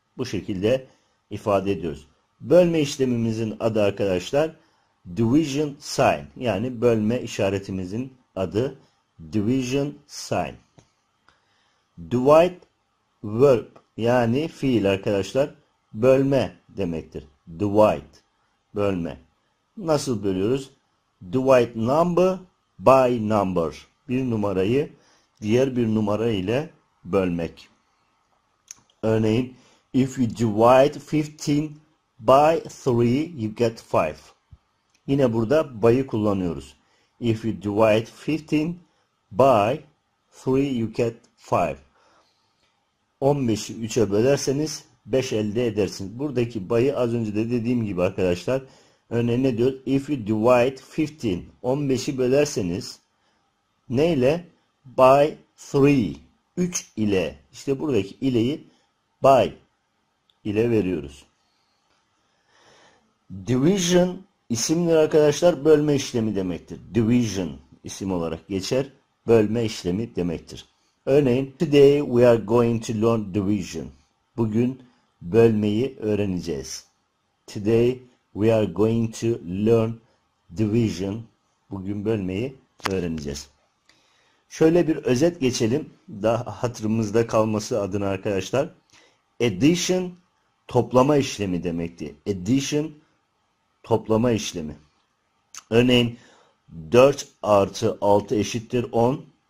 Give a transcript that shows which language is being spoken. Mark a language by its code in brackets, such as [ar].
[tr] Bu şekilde ifade ediyoruz. Bölme işlemimizin adı arkadaşlar division sign. Yani bölme işaretimizin adı division sign. Divide verb yani fiil arkadaşlar bölme demektir. Divide bölme. Nasıl bölüyoruz? [en] Divide number by number. [tr] Bir numarayı diğer bir numara ile bölmek. Örneğin, if you divide 15 [en] Buy three, you get five. Yine burada buy'ı kullanıyoruz. If you divide 15 by 3, you get 5. [tr] 15'i 3'e bölerseniz 5 elde edersiniz. Buradaki buy'ı az önce de dediğim gibi arkadaşlar. Örneğin ne diyor? [en] If you divide 15, 15'i bölerseniz neyle? [tr] By 3, 3 ile. İşte buradaki ile'yi by ile veriyoruz. Division isimler arkadaşlar bölme işlemi demektir. Division isim olarak geçer. Bölme işlemi demektir. [en] Örneğin today we are going to learn division. [tr] Bugün bölmeyi öğreneceğiz. [en] Today we are going to learn division. [tr] Bugün bölmeyi öğreneceğiz. Şöyle bir özet geçelim. Daha hatırımızda kalması adına arkadaşlar. Addition toplama işlemi demekti. Addition toplama işlemi. Örneğin 4 artı 6 eşittir 10.